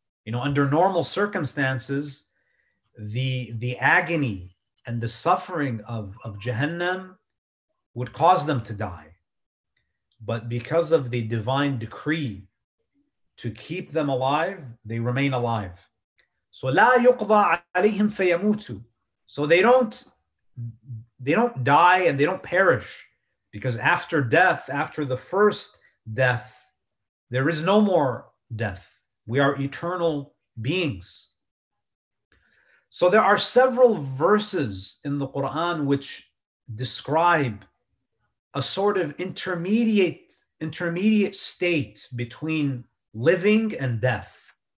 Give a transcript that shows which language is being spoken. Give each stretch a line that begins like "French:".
English: You know, under normal circumstances, the agony and the suffering of Jahannam would cause them to die. But because of the divine decree to keep them alive, they remain alive.
Arabic: So لا يقضى عليهم فيموتوا.
English: So they don't die and they don't perish, because after death, after the first death, there is no more death. We are eternal beings. So there are several verses in the Quran which describe a sort of intermediate state between living and death.